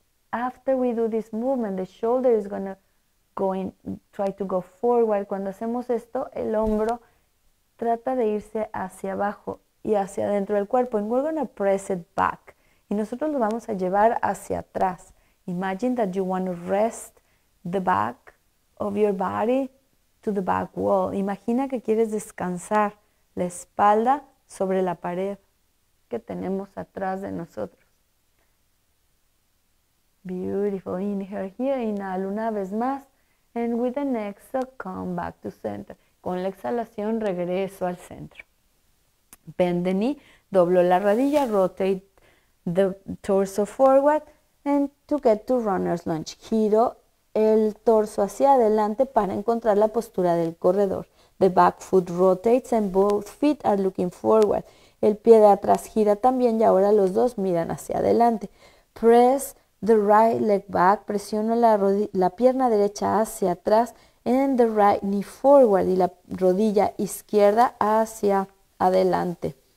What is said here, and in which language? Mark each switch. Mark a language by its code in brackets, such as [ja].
[en] After we do this movement, the shoulder is going to try to go forward. [es] Cuando hacemos esto, el hombro trata de irse hacia abajo y hacia dentro del cuerpo. [en] And we're going to press it back. [es] Y nosotros lo vamos a llevar hacia atrás. [en] Imagine that you want to rest the back of your body to the back wall. [es] Imagina que quieres descansar la espalda sobre la pared que tenemos atrás de nosotros. [en] Beautiful. Inhale here. [es] Inhalo una vez más. [en] And with an exhale, come back to center. [es] Con la exhalación, regreso al centro. [en] Bend the knee. [es] Doblo la rodilla. [en] Rotate the torso forward. And to get to runner's lunge. [es] Giro el torso hacia adelante para encontrar la postura del corredor. [en] The back foot rotates and both feet are looking forward. [es] El pie de atrás gira también y ahora los dos miran hacia adelante. [en] Press the right leg back. [es] Presiono la pierna derecha hacia atrás. [en] And the right knee forward. [es] Y la rodilla izquierda hacia adelante.